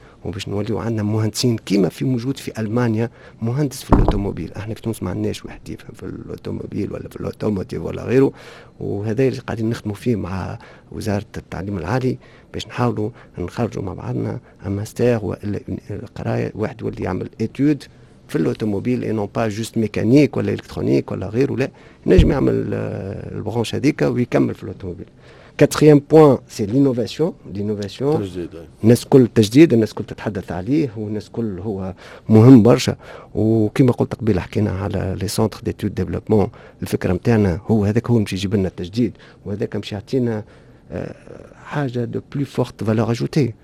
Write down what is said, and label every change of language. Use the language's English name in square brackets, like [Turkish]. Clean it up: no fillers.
[Arabic] وباش نوليو عندنا مهندسين كيما في موجود في المانيا مهندس في الاوتوموبيل احنا في تونس ما عندناش واحد يفهم في الاوتوموبيل ولا في الاوتوموتيف ولا غيره وهذا اللي قاعدين نخدموا فيه مع وزاره التعليم العالي باش نحاولوا نخرجوا مع بعضنا ماستر والا قرايه واحد يولي يعمل اتيود في الاوتوموبيل اي نون با جوست ميكانيك ولا الكترونيك ولا غيره لا نجم يعمل البرونش هذيك ويكمل في الاوتوموبيل. [French] Quatrième point, c'est l'innovation. [Arabic] L'innovation, نسكول تجديد, نسكول تتحدث عليه, و نسكول هو مهم برشا. و كما قلت قبيل حكينا على les centres d'études développement, الفكرة متاعنا هو هذاك هو مشي جيبنا التجديد, و هذاك مشي عطينا حاجة de plus forte valeur ajoutée.